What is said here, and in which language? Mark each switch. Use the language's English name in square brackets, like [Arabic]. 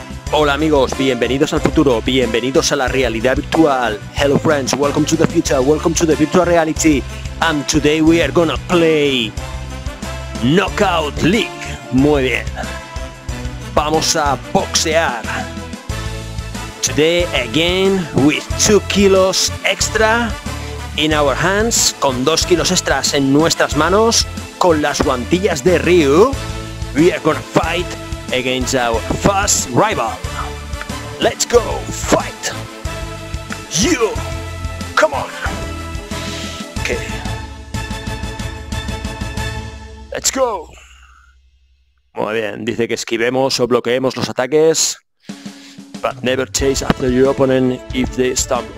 [Spanish] Hola amigos, bienvenidos al futuro, bienvenidos a la realidad virtual. [English] Hello friends, welcome to the future, welcome to the virtual reality. And today we are gonna play Knockout League. [Spanish] Muy bien. Vamos a boxear. [English] Today again with 2 kilos extra in our hands, [Spanish] con 2 kilos extras en nuestras manos, con las guantillas de Ryu, [English] we are gonna fight against our first rival. Let's go fight. You, come on. Okay. Let's go. [Spanish] Muy bien, dice que esquivemos o bloqueemos los ataques. [English] But never chase after your opponent if they stop.